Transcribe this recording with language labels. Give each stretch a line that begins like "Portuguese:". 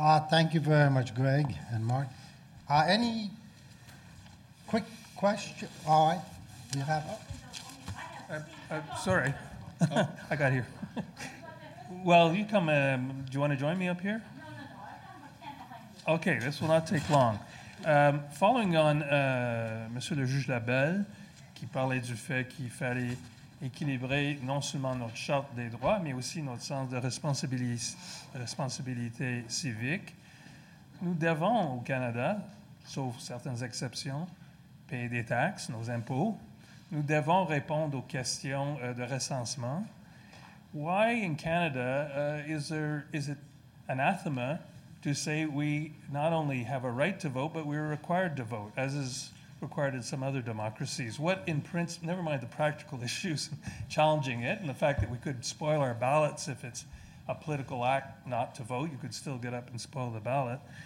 English: Thank you very much, Greg and Mark. Any quick question? All right, do you have Sorry, I got here. Well, you come, do you want to join me up here? Okay, this will not take long. Following on
French: Monsieur le juge Lebel, qui parlait du fait qu'il fallait équilibrer non seulement notre charte des droits, mais aussi notre sens de responsabilité civique, nous devons au Canada, sauf certaines exceptions, payer des taxes, nos impôts. Nous devons répondre aux questions de recensement.
English: Why in Canada is it anathema to say we not only have a right to vote, but we're required to vote, as is required in some other democracies? What in principle, never mind the practical issues challenging it, and the fact that we could spoil our ballots if it's a political act not to vote, you could still get up and spoil the ballot.